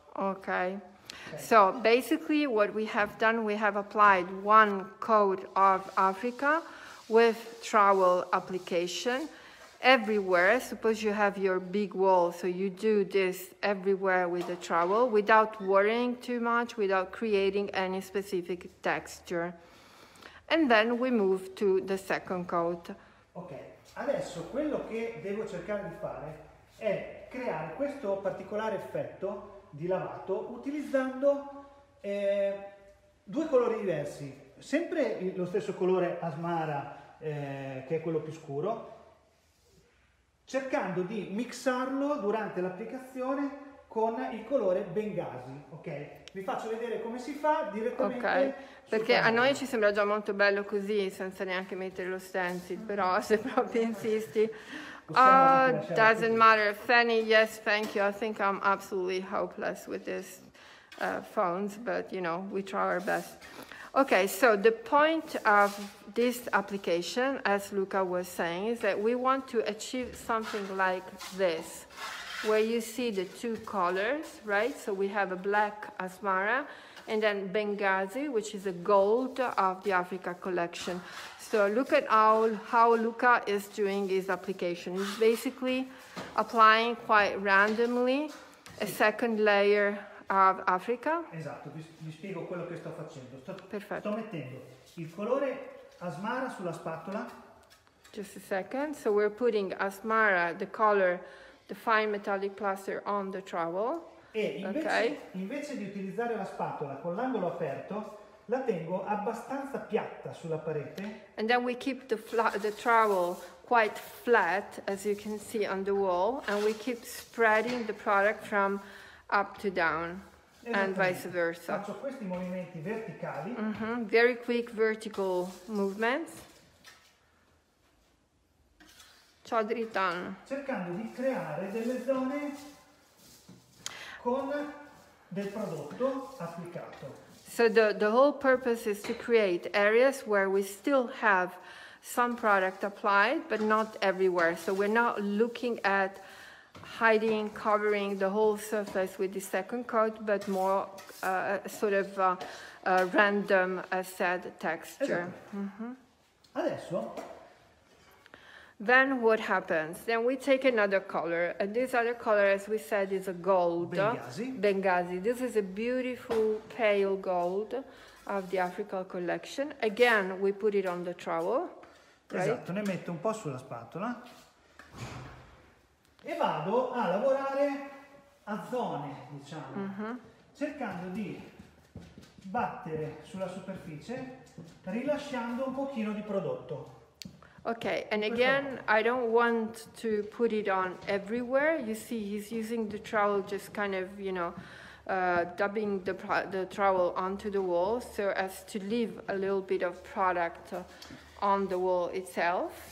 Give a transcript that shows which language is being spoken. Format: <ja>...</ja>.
<en>Okay, so basically what we have done, we have applied one coat of Africa with trowel application everywhere. Suppose you have your big wall, so you do this everywhere with the trowel without worrying too much, without creating any specific texture. And then we move to the second coat.</en> <it>Okay, adesso quello che devo cercare di fare è creare questo particolare effetto di lavato utilizzando due colori diversi, sempre lo stesso colore Asmara, che è quello più scuro, cercando di mixarlo durante l'applicazione con il colore Bengasi. Ok, vi faccio vedere come si fa direttamente. Okay. Perché a noi ci sembra già molto bello così, senza neanche mettere lo stencil, però se proprio insisti.</it> <en>Oh, doesn't matter. Fanny, yes, thank you. I think I'm absolutely hopeless with this phones, but you know, we try our best. Okay, so the point of this application, as Luca was saying, is that we want to achieve something like this, where you see the two colors, right? So we have a black Asmara and then Bengasi, which is a gold of the Africa collection. So look at how Luca is doing his application. He's basically applying quite randomly a second layer of Africa.</en> <it>Esatto, vi spiego quello che sto facendo. Perfetto. Sto mettendo il colore Asmara sulla spatola.</it> <en>Just a second. So we're putting Asmara, the color, the fine metallic plaster on the trowel.</en> <it>E invece di utilizzare la spatola con l'angolo aperto, la tengo abbastanza piatta sulla parete.</it> <en>And then we keep the trowel quite flat, as you can see on the wall, and we keep spreading the product from up to down, and vice versa.</en> <it>Faccio questi movimenti verticali.</it> <en>Very quick vertical movements.</en> <it>Ciao Dritan. Cercando di creare delle zone con del prodotto applicato.</it> <en>So the whole purpose is to create areas where we still have some product applied, but not everywhere. So we're not looking at hiding, covering the whole surface with the second coat, but more random sad texture.</en> <it>Mm-hmm. Adesso.</it> <en>Then what happens? Then we take another color, and this other color, as we said, is a gold. Benghazi. This is a beautiful pale gold of the Africa collection. Again, we put it on the trowel.</en> <it>Esatto, right? Ne metto un po' sulla spatola. E vado a lavorare a zone, diciamo, cercando di battere sulla superficie, rilasciando un pochino di prodotto.</it> <en>Okay, and again, I don't want to put it on everywhere. You see, he's using the trowel, just kind of, you know, dubbing the trowel onto the wall so as to leave a little bit of product on the wall itself.</en>